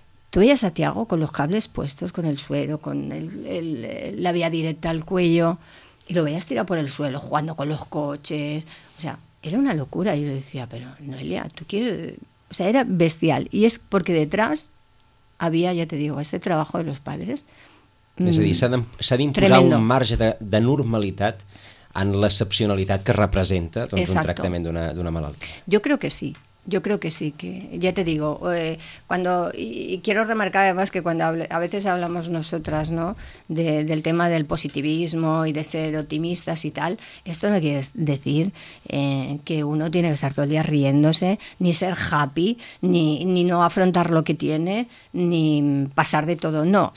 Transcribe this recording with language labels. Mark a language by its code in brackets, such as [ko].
[es] Tú veías a Tiago con los cables puestos, con el suero, con la vía directa al cuello, y lo veías tirado por el suelo, jugando con los coches. O sea, era una locura. Y yo decía, pero Noelia, tú quieres... O sea, era bestial. Y es porque detrás había, ya te digo, este trabajo de los padres. [ca] Es a dir, s'ha d'imposar un marge de normalitat en l'excepcionalitat que representa doncs, un tractament d'una malaltia. [es] Yo creo que sí. Yo creo que sí, que ya te digo, cuando y quiero remarcar además que cuando a veces hablamos nosotras, ¿no?, del tema del positivismo y de ser optimistas y tal, esto no quiere decir que uno tiene que estar todo el día riéndose, ni ser happy, ni no afrontar lo que tiene, ni pasar de todo, no.